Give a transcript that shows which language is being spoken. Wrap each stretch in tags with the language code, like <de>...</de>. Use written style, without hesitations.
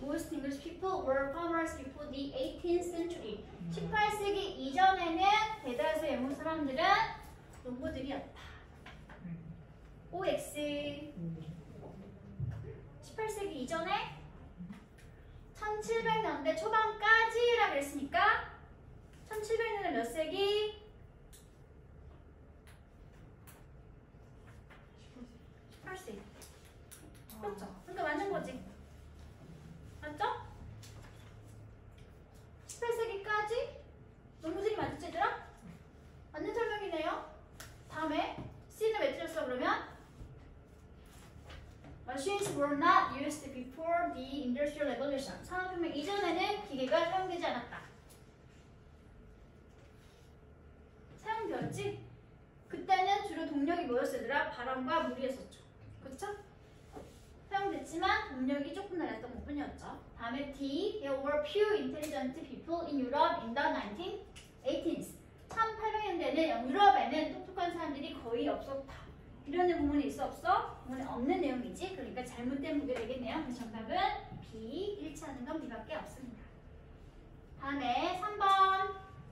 <en>Most English people were farmers before the 18th century.</en> <ko>18세기 이전에는 대다수의 영국 사람들은 농부들이었다. OX. 18세기 이전에 1700년대 초반까지라 그랬으니까 1700년대 몇 세기? 18세기. 맞죠? 그러니까 맞는 거지. 맞죠? 18세기까지 농부들이 맞았지 얘들아? 맞는 설명이네요. 다음에 C는 왜 틀렸어 그러면?</ko> <en>Machines were not used before the Industrial Revolution.</en> <ko>산업혁명 이전에는 기계가 사용되지 않았다. 사용되었지? 그때는 주로 동력이 뭐였으더라? 바람과 물이었었죠. 그쵸? 사용됐지만 동력이 조금 달랐던 것뿐이었죠. 다음에 D.</ko> <en>There were few intelligent people in Europe in the 1918s.</en> <ko>1800년대는 유럽에는 똑똑한 사람들이 거의 없었다. 이런 부분이 있어 없어? 부분에 없는 내용이지. 그러니까 잘못된 부분이 되겠네요. 그 정답은 B. 일치하는 건 B밖에 없습니다. 다음에 3번.</ko>